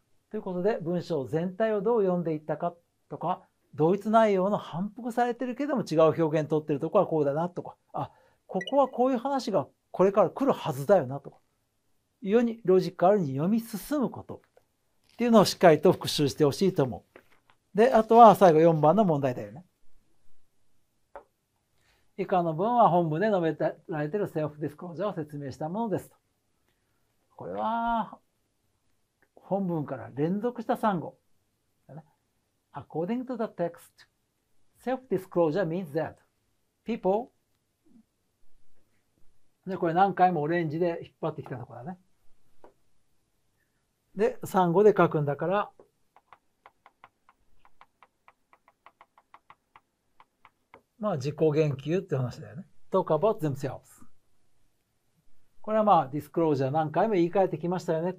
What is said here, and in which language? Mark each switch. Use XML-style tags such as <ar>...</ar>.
<ja>ということで、文章全体をどう読んでいったかとか、同一内容の反復されてるけども違う表現を取ってるとこはこうだなとか、あ、ここはこういう話がこれから来るはずだよなとか、世にロジカルに読み進むことっていうのをしっかりと復習してほしいと思う。で、あとは最後4番の問題だよね。以下の文は本文で述べられているセルフディスクロージャーを説明したものですと。これは、本文から連続した3語。</ja> <en>According to the text, self-disclosure means that people...</en> <ja>で、これ何回もオレンジで引っ張ってきたところだね。で、3語で書くんだから、まあ、自己言及って話だよね。</ja> <en>Talk about themselves。</en> <ja>これはまあ、disclosure 何回も言い換えてきましたよね。</ja>